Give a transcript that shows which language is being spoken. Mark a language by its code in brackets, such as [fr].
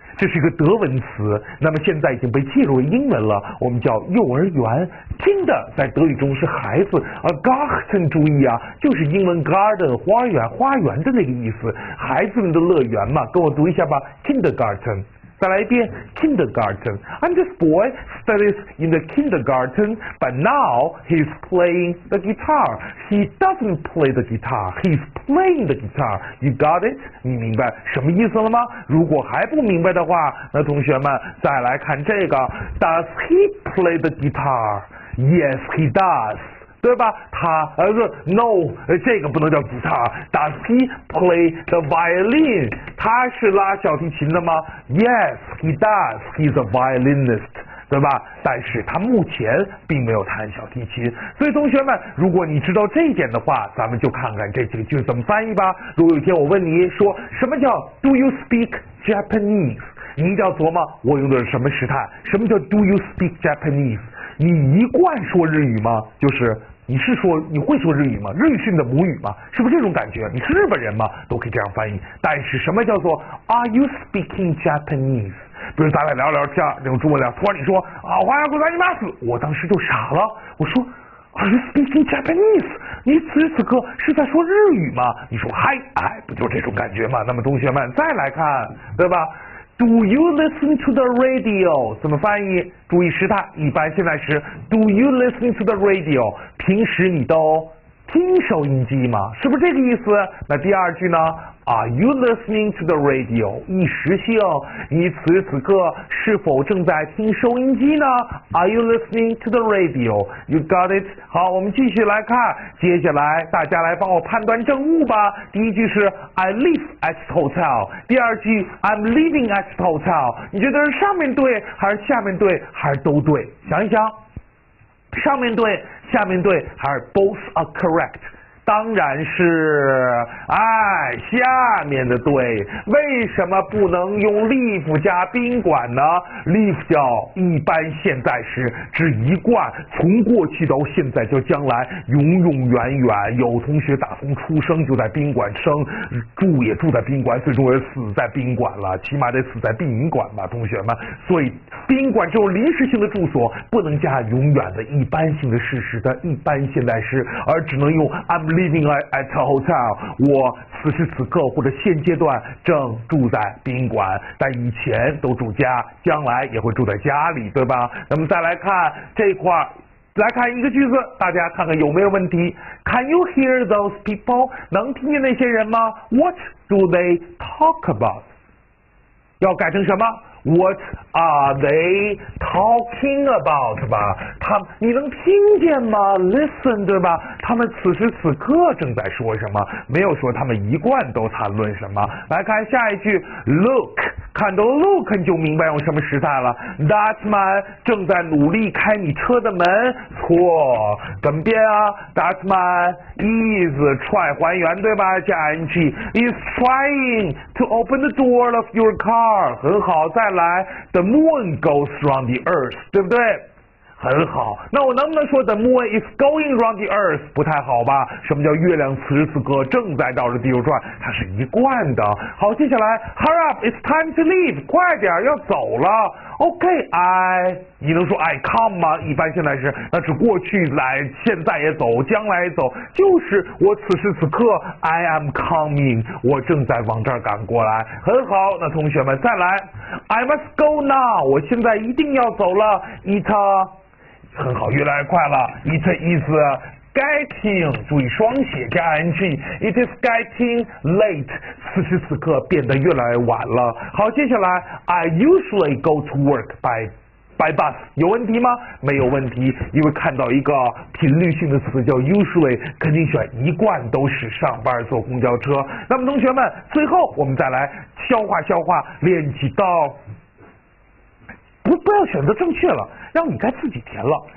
[zh] 这是一个德文词，那么现在已经被介入英文了，我们叫幼儿园。 Kinder 在德语中是孩子，而 Garten 注意啊，就是英文 garden 花园，花园的那个意思，孩子们的乐园嘛。跟我读一下吧 ，kindergarten。再来一遍 ，kindergarten. [en] And this boy studies in the kindergarten, but now he's playing the guitar. He doesn't play the guitar. He's playing the guitar. You got it? [zh] 你明白什么意思了吗？如果还不明白的话，那同学们再来看这个。 [en] Does he play the guitar? Yes, he does. [zh] 对吧？他说 no， 这个不能叫吉他。 [en] Does he play the violin？ [zh] 他是拉小提琴的吗 ？ [en] Yes， he does. He's a violinist。 对吧？ [zh] 但是他目前并没有弹小提琴，所以同学们，如果你知道这一点的话，咱们就看看这几个句子怎么翻译吧。如果有一天我问你说什么叫 [en] Do you speak Japanese？ [zh] 你一定要琢磨我用的是什么时态。什么叫 [en] Do you speak Japanese？ [zh] 你一贯说日语吗？就是你是说你会说日语吗？日语是你的母语吗？是不是这种感觉？你是日本人吗？都可以这样翻译。但是什么叫做 [en] Are you speaking Japanese？ [zh] 比如咱俩聊聊天，那种中文聊，突然你说啊，欢迎光临马斯，我当时就傻了，我说 ， [en] Are you speaking Japanese？ [zh] 你此时此刻是在说日语吗？你说嗨，哎，不就这种感觉吗？那么同学们再来看，对吧 ？ [en] Do you listen to the radio？ [zh] 怎么翻译？注意时态，一般现在时 ， [en] Do you listen to the radio？ [zh] 平时你都听收音机吗？是不是这个意思？那第二句呢？ [en] Are you listening to the radio? [zh] 一时性，你此时此刻是否正在听收音机呢？ [en] Are you listening to the radio? You got it. [zh] 好，我们继续来看，接下来大家来帮我判断正误吧。第一句是 [en] I live at the hotel. [zh] 第二句 [en] I'm living at the hotel. [zh] 你觉得是上面对还是下面对还是都对？想一想，上面对、下面对还是 [en] both are correct? [zh] 当然是哎，下面的对，为什么不能用 live 加宾馆呢？ live 叫一般现在时，指一贯，从过去到现在叫将来，永永远远。有同学打从出生就在宾馆生，住也住在宾馆，最终也死在宾馆了，起码得死在殡仪馆吧，同学们。所以宾馆这种临时性的住所不能加永远的一般性的事实的一般现在时，而只能用按 [en] Living at a hotel， [zh] 我此时此刻或者现阶段正住在宾馆，但以前都住家，将来也会住在家里，对吧？那么再来看这块，来看一个句子，大家看看有没有问题。 [en] Can you hear those people？ [zh] 能听见那些人吗 [en] ？What do they talk about？ [zh] 要改成什么？ [en] What are they talking about 吧？ [zh] 他们你能听见吗 ？Listen 对吧？他们此时此刻正在说什么？没有说他们一贯都谈论什么。来看下一句 ，Look， 看到 Look 你就明白用什么时态了。 That man 正在努力开你车的门。错，怎么变啊 ？ [en] That man is try [zh] 还原对吧？ [en] 加 ing is trying to open the door of your car。 [zh] 很好，再。 [en] 再来 ，The moon goes round the earth， [zh] 对不对？很好。那我能不能说 [en] The moon is going round the earth？ [zh] 不太好吧？什么叫月亮此时此刻正在绕着地球转？它是一贯的。好，接下来 ， [en] Hurry up， it's time to leave， [zh] 快点要走了。 [en] OK， I， [zh] 你能说 [en] I come 吗？ [zh] 一般现在时，那是过去来，现在也走，将来也走，就是我此时此刻 [en] I am coming， [zh] 我正在往这儿赶过来。很好，那同学们再来 ， [en] I must go now， [zh] 我现在一定要走了。 It， 很好，越来越快了。 [en] It is getting， [zh] 注意双写加 [en] ing， It is getting late。 [zh] 此时此刻变得越来越晚了。 [en] 好，接下来 I usually go to work by bus， [zh] 有问题吗？没有问题，因为看到一个频率性的词叫 usually， 肯定选一贯都是上班坐公交车。那么同学们，最后我们再来消化消化，练几道，不要选择正确了，让你该自己填了。